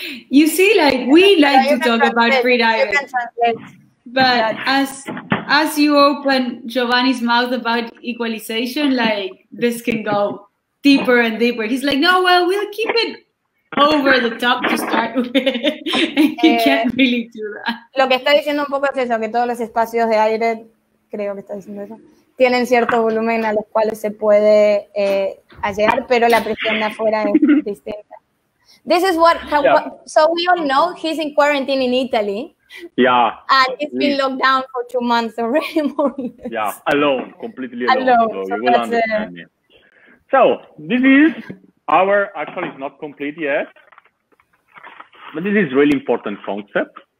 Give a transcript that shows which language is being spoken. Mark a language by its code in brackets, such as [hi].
[en] You see, like, we like to talk about freediving, but as you open Giovanni's mouth about equalization, like, this can go deeper and deeper. He's like, no, well, we'll keep it over the top to start with. You can't really do that. [es] Lo que está diciendo un poco es eso, que todos los espacios de aire, creo que está diciendo eso, tienen cierto volumen a los cuales se puede llegar, pero la presión de afuera es distinta. [en] This is so we all know he's in quarantine in Italy. Yeah. And he's been locked down for 2 months already. Yeah, alone, completely alone. So this is our, actually it's not complete yet, but this is really important concept.